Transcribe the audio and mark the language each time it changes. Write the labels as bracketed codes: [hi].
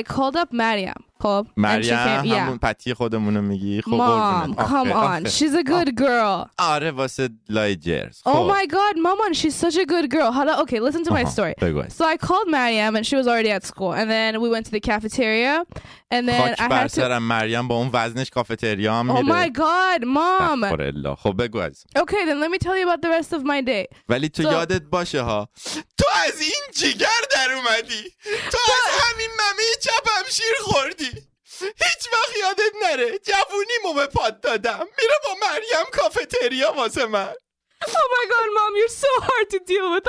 [en] I called up Mariam. خب. Mariam came, [fa] همون [en] yeah. [fa] پتی خودمونو میگی. خب [en] Mom, come on. She's a good girl. [fa] آره واسه لایجرز. [en] Oh my god, Mamon, she's such a good girl. حالا okay, listen to my story. [fa] بگوید. [en] So I called Mariam and she was already at school and then we went to the cafeteria. And then [fa] خاک بر سرم مریم با اون وزنش کافتریا هم میره. [en] Oh my god, mom. [fa] خب بگو از. [en] Okay, then let me tell you about the rest of my day. [fa] ولی تو یادت باشه ها. تو از این جگر در اومدی. تو از همین ممه چپم شیر خوردی. هیچ وقت یادت نره. جوونیمو به پات دادم. میره با مریم کافتریا واسه من. [en] Oh my god, mom, you're so hard to deal with.